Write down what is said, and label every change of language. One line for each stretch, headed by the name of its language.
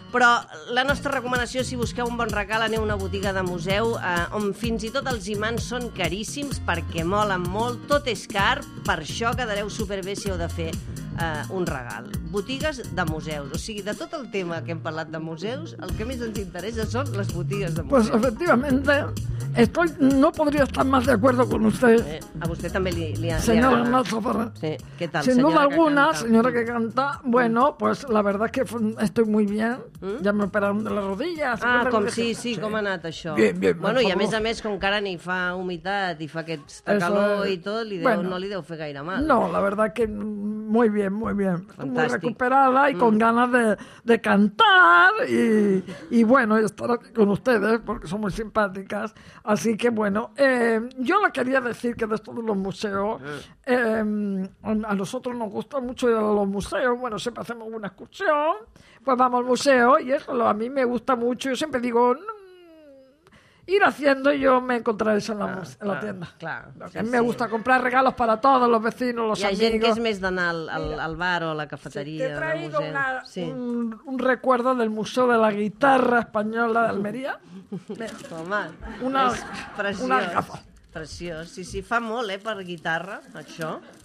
Catalan: Però la nostra recomanació, si busqueu un bon regal, aneu a una botiga de museu on fins i tot els imants són caríssims perquè molen molt, tot és car, per això quedareu superbé si heu de fer un regal. Botigues de museus. O sigui, de tot el tema que hem parlat de museus, el que més ens interessa són les botigues de museus.
Spanish: Pues efectivamente, no podría estar más de acuerdo con usted.
Catalan: A vostè també li agrada.
Spanish: Señor Ignacio Ferrer.
Catalan: Sí, què tal, senyora?
Spanish: Sin duda alguna, senyora que canta, bueno, pues la verdad es que estoy muy bien. Ya me operaron de las rodillas.
Catalan: Ah, com sí, com ha anat això?
Spanish: Bien,
Catalan: bueno, i a més, com que ara ni fa humitat i fa aquest calor i tot, no li deu fer gaire mal.
Spanish: No, la verdad es que muy bien. Fantàstic. Muy recuperada y con ganas de cantar y bueno, estar aquí con ustedes porque son muy simpáticas. Así que bueno, yo le quería decir que de esto de los museos, a nosotros nos gusta mucho ir a los museos. Bueno, siempre hacemos una excursión, pues vamos al museo y eso a mí me gusta mucho. Yo siempre digo, ir haciendo, yo me encontraré eso en la tienda. Claro, me gusta comprar regalos para todos, los vecinos, los amigos. Y hay gente que es más de ir al bar o a la cafetería. Sí, te he traído un recuerdo del Museo de la Guitarra Española de Almería. Toma, una gafa.
Catalan: Preciós. Sí, fa molt, per guitarra, això.